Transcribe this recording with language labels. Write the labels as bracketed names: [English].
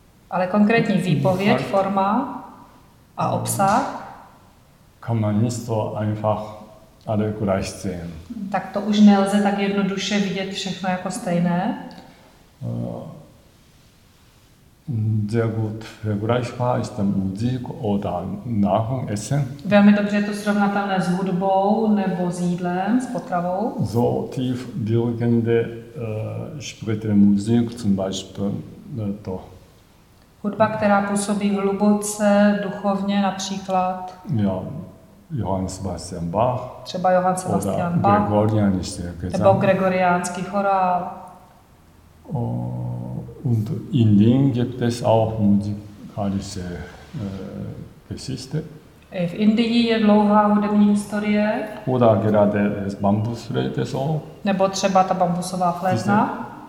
[Czech] ale konkrétní výpověď, forma a obsah [German] kann man nicht so einfach alle gleich sehen. [Czech] Tak to už nelze tak jednoduše vidět všechno jako stejné. [German] Sehr gut vergleichbar ist dann Musik oder Nahrung, Essen. [Czech] Velmi dobře je to srovnatelné s hudbou nebo s jídlem, s potravou. [German] So tief wirkende spirituelle Musik, zum Beispiel to. [Czech] Hudba, která působí hluboce, duchovně, například. [German] Ja, Johann Sebastian Bach. [Czech] Třeba Johann Sebastian Bach. Nebo gregoriánský chorál. [German] Und in Indien gibt es auch musikalische Geschichte. [Czech] V Indii je dlouhá hudební historie. [German] Oder gerade das Bambusflöte so. [Czech] Nebo třeba ta bambusová flétna.